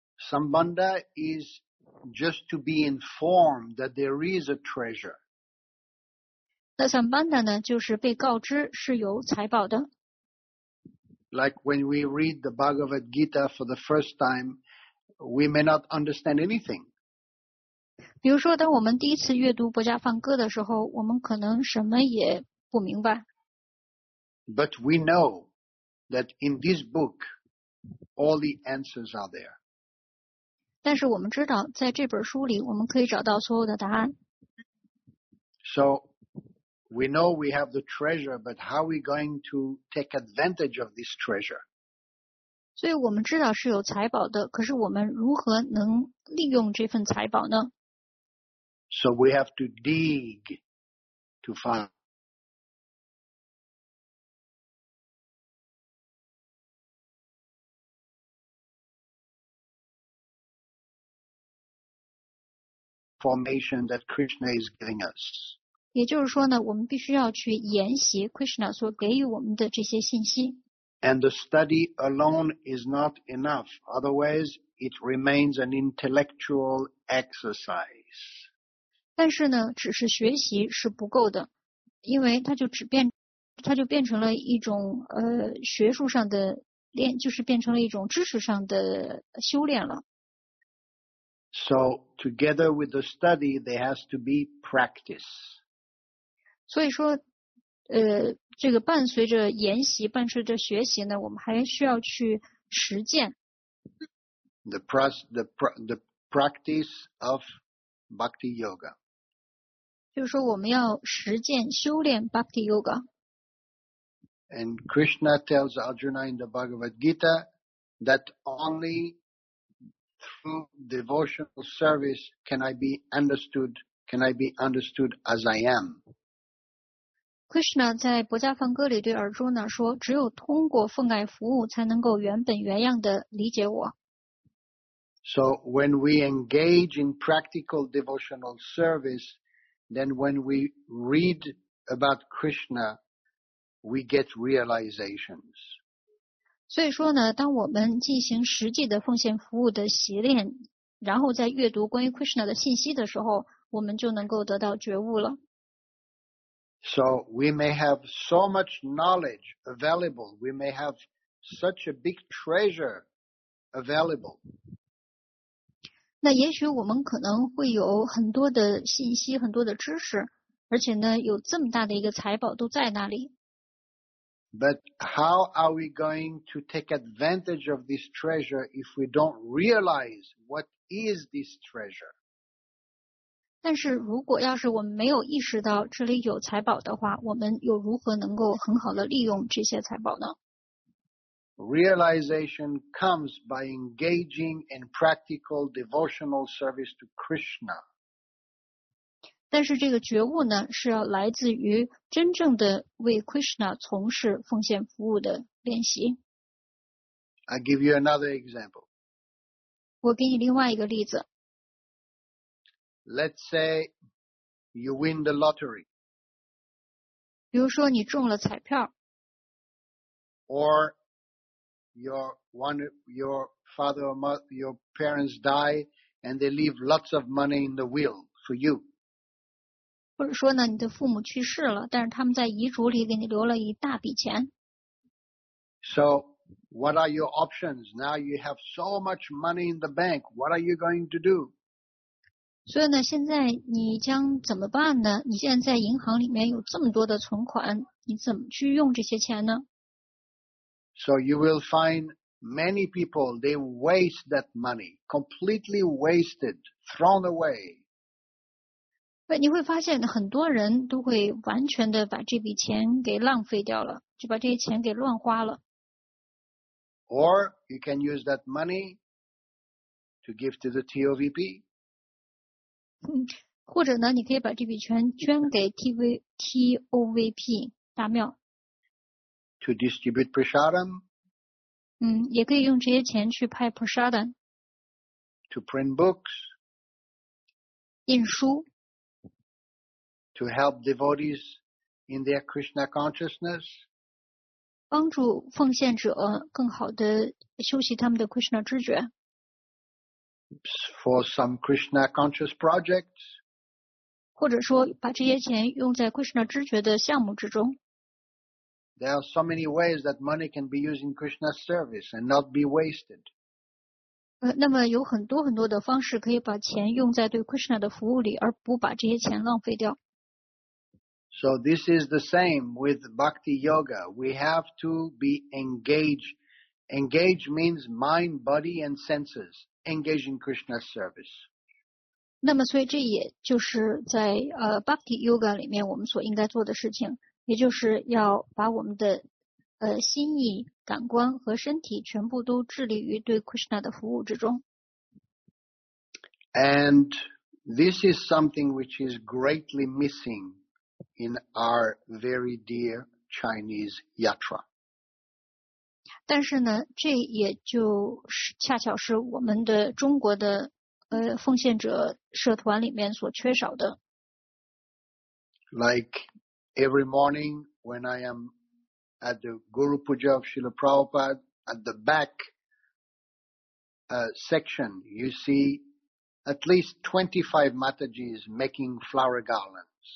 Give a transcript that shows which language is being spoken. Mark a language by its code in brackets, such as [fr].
[en] Sambandha is just to be informed that there is a treasure. [zh] 那 sambandha 呢就是被告知是有财宝的。 [en] Like when we read the Bhagavad Gita for the first time, we may not understand anything. [zh] 比如说当我们第一次阅读博迦梵歌的时候，我们可能什么也不明白。 [en] But we know that in this book, all the answers are there. [zh] 但是我们知道，在这本书里，我们可以找到所有的答案。 [en] So, we know we have the treasure, but how are we going to take advantage of this treasure? [zh] 所以我们知道是有财宝的，可是我们如何能利用这份财宝呢？ [en] So we have to dig to find. Information that Krishna is giving us. [zh] 也就是说呢，我们必须要去研习 Krishna 所给予我们的这些信息。 [en] And the study alone is not enough. Otherwise, it remains an intellectual exercise. [zh] 但是呢，只是学习是不够的，因为它就变成了一种学术上的练，就是变成了一种知识上的修炼了。 [en] So, together with the study, there has to be practice. [zh] 所以说，这个伴随着研习，伴随着学习呢，我们还需要去实践。 [en] The practice of Bhakti Yoga. [zh] 就是说我们要实践修炼 Bhakti Yoga. [en] And Krishna tells Arjuna in the Bhagavad Gita that onlythrough devotional service can I be understood as I am. [zh] Krishna 在《博迦梵歌》里对尔朱呢说，只有通过奉爱服务才能够原本原样的理解我。 [en] So when we engage in practical devotional service, then when we read about Krishna, we get realizations. [zh] 所以说呢，当我们进行实际的奉献服务的习练，然后再阅读关于 Krishna 的信息的时候，我们就能够得到觉悟了。 [en] So we may have so much knowledge available. We may have such a big treasure available. [zh] 那也许我们可能会有很多的信息，很多的知识，而且呢，有这么大的一个财宝都在那里。 [en] But how are we going to take advantage of this treasure if we don't realize what is this treasure? [zh] 但是如果要是我们没有意识到这里有财宝的话，我们又如何能够很好的利用这些财宝呢？ [en] Realization comes by engaging in practical devotional service to Krishna. [zh] 但是这个觉悟呢，是要来自于真正的为 Krishna 从事奉献服务的练习。 [en] I give you another example. [zh] 我给你另外一个例子。 [en] Let's say you win the lottery. [zh] 比如说你中了彩票。 [en] Or your parents die and they leave lots of money in the will for you. [zh] 或者说呢，你的父母去世了，但是他们在遗嘱里给你留了一大笔钱。 [en] So, what are your options? Now you have so much money in the bank. What are you going to do? [zh] 所以呢，现在你将怎么办呢？你现在在银行里面有这么多的存款，你怎么去用这些钱呢？ [en] So you will find many people, they waste that money, completely wasted, thrown away. [zh] 你会发现很多人都会完全的把这笔钱给浪费掉了，就把这些钱给乱花了。 [en] Or you can use that money to give to the TOVP. [zh] 或者呢，你可以把这笔钱捐给 TOVP 大庙。 [en] To distribute prasadam. [zh] 也可以用这些钱去派 prasadam. [en] To print books. [zh] 印书。 [en] To help devotees in their Krishna consciousness. [zh] 帮助奉献者更好地修习他们的 Krishna 知觉。 [en] For some Krishna conscious projects. [zh] 或者说把这些钱用在 Krishna 知觉的项目之中。 [en] There are so many ways that money can be used in Krishna's service and not be wasted. [zh] 那么有很多很多的方式可以把钱用在对 Krishna 的服务里，而不把这些钱浪费掉。 [en] So this is the same with bhakti yoga. We have to be engaged. Engage means mind, body and senses. Engage in Krishna's service. [zh] 那么所以这也就是在bhakti yoga 里面我们所应该做的事情，也就是要把我们的心意、感官和身体全部都致力于对 Krishna 的服务之中。 [en] And this is something which is greatly missing. In our very dear Chinese yatra. [zh] 但是呢，这也就是恰巧是我们的中国的奉献者社团里面所缺少的。 [en] Like every morning when I am at the Guru Puja of Srila Prabhupada, at the back section, you see at least 25 Matajis making flower garlands.